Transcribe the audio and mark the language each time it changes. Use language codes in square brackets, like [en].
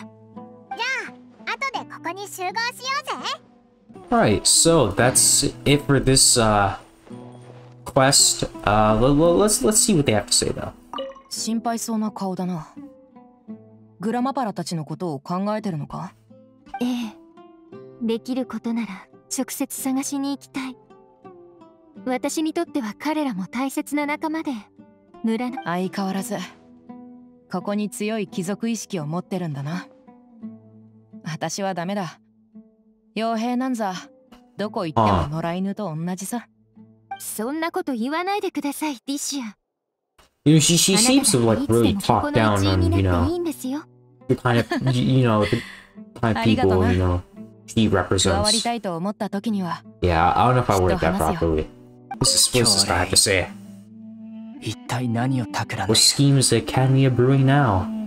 [ja] じゃあ、後でここに集合しようぜ。 [en] Alright, so that's it for this, quest. Let's see what they have to say, though. [ja] 心配そうな顔だな。グラマパラたちのことを考えてるのか？ええ、できることなら直接探しに行きたい。私にとっては彼らも大切な仲間で、村の相変わらずここに強い貴族意識を持ってるんだな。私はダメだ。傭兵なんざどこ行っても野良犬と同じさ。そんなこと言わないでください、ディシア。 [en] You know, she seems to like really talk down on, you know, the kind of, you know, the kind of people, you know, she represents. Yeah, I don't know if I worded that properly. What's this guy have to say? What scheme is the Academy of Brewing now?